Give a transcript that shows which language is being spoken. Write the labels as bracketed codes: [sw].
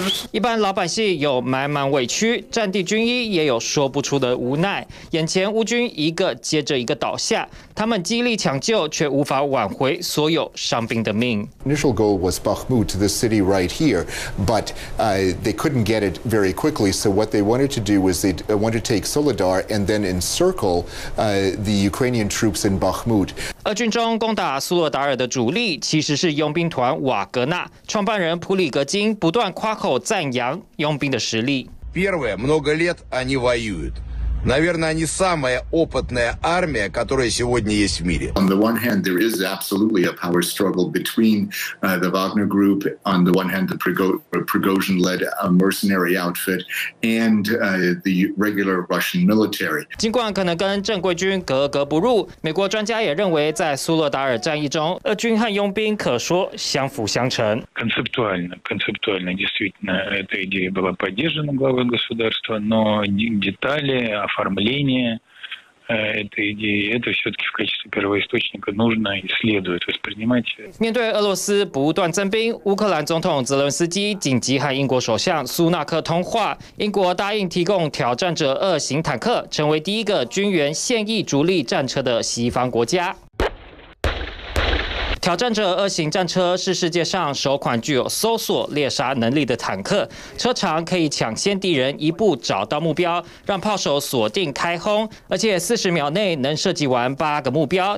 [zh] 一般老百姓有满满委屈，战地军医也有说不出的无奈。眼前乌军一个接着一个倒下，他们极力抢救，却无法挽回所有伤兵的命。 [en] Initial goal was Bakhmut, the city right here, but they couldn't get it very quickly. So what they wanted to do was they wanted to take Soledar and then encircle the Ukrainian troops in Bakhmut. [zh] 俄军中攻打苏勒达尔的主力其实是佣兵团瓦格纳，创办人普里格金不断夸口赞扬佣兵的实力。 [ru] Первое много лет они воюют, наверное, они самая опытная армия, которая сегодня есть в мире. [en] On the one hand, there is absolutely a power struggle between the Wagner Group, on the one hand, the Prigozhin-led mercenary outfit, and the regular Russian military. [zh] 尽管可能跟正规军格格不入，美国专家也认为，在苏勒达尔战役中，俄军和佣兵可说相辅相成。 [ru] Концептуально, действительно, эта идея была поддержана главой государства, но детали. Оформление этой идеи, это все-таки в качестве первоисточника нужно и следует воспринимать. [zh] 面对俄罗斯不断增兵，乌克兰总统泽伦斯基紧急和英国首相苏纳克通话，英国答应提供挑战者二型坦克，成为第一个军援现役主力战车的西方国家。挑战者二型战车是世界上首款具有搜索猎杀能力的坦克，车长可以抢先敌人一步找到目标，让炮手锁定开轰，而且40秒内能射击完8个目标。